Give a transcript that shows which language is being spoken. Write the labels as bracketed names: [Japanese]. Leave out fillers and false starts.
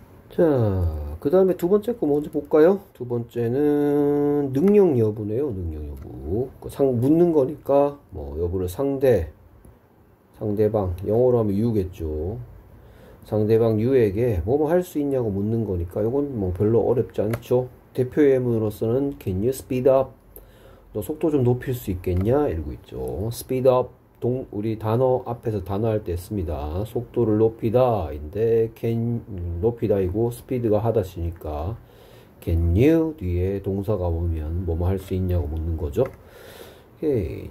[Korean] 자, 그 다음에 두 번째 거 먼저 볼까요? 두 번째는 능력 여부네요. 능력 여부. 묻는 거니까 뭐 여부를 상대방, 영어로 하면 you겠죠. 상대방 you에게 뭐뭐 할수 있냐고 묻는 거니까 이건 뭐 별로 어렵지 않죠. [English] 대표 예문으로서는 Can you speed up? [Korean] 너 속도 좀 높일 수 있겠냐? 이러고 있죠. Speed up. 우리 단어 앞에서 단어할 때 씁니다. 속도를 높이다인데 can 높이다이고 스피드가 하다시니까 can you 뒤에 동사가 오면 뭐뭐 할수 있냐고 묻는 거죠. 오케이.